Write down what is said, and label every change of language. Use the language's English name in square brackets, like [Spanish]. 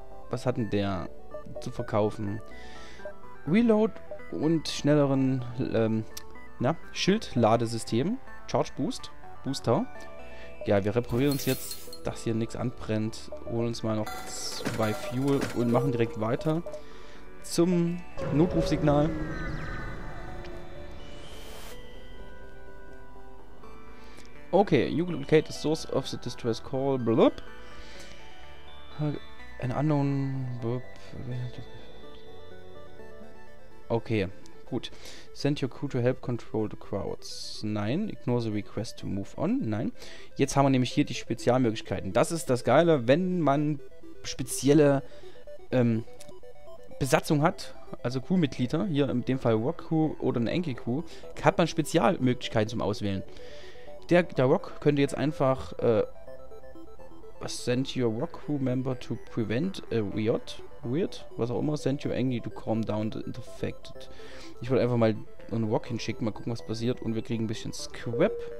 [German] Was hat denn der zu verkaufen? Reload und schnelleren Schildladesystem. Charge Boost. Booster. Ja, wir reparieren uns jetzt. Dass hier nichts anbrennt. Holen uns mal noch 2 Fuel und machen direkt weiter zum Notrufsignal. [English] Okay, you can locate the source of the distress call. Blub. An unknown. Blub. [German] Okay, gut. [English] Send your crew to help control the crowds. [German] Nein. [English] Ignore the request to move on. Nein. [German] Jetzt haben wir nämlich hier die Spezialmöglichkeiten. Das ist das Geile, wenn man spezielle Besatzung hat, also Crewmitglieder, hier in dem Fall Rock-Crew oder eine Enkel-Crew, hat man Spezialmöglichkeiten zum Auswählen. Der Rock könnte jetzt einfach. [English] Send your Rock-Crew member to prevent a riot. Weird, [German] was auch immer. [English] Send your Engie to calm down the infected. [German] Ich wollte einfach mal einen Rock hinschicken, mal gucken, was passiert. Und wir kriegen ein bisschen Scrap.